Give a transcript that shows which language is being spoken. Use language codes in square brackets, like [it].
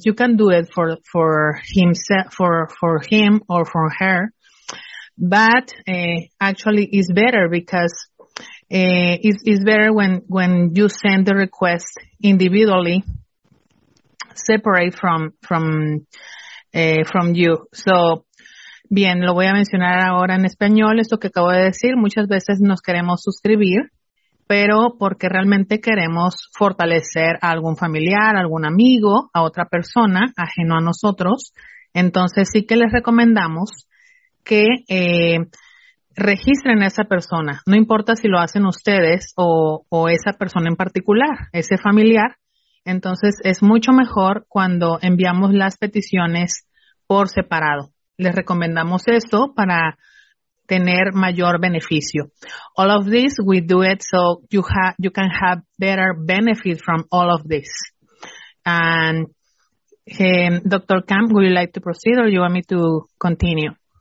[en] You can do it for him or for her. But actually it's better because it's better when you send the request individually, separate from you. [es] So, bien, lo voy a mencionar ahora en español, esto que acabo de decir. Muchas veces nos queremos suscribir, pero porque realmente queremos fortalecer a algún familiar, a algún amigo, a otra persona ajeno a nosotros. Entonces sí que les recomendamos que registren a esa persona. No importa si lo hacen ustedes o esa persona en particular, ese familiar. Entonces, es mucho mejor cuando enviamos las peticiones por separado. Les recomendamos eso para tener mayor beneficio. [en] All of this, we do it so you can have better benefit from all of this. And Dr. Camp, would you like to proceed or you want me to continue?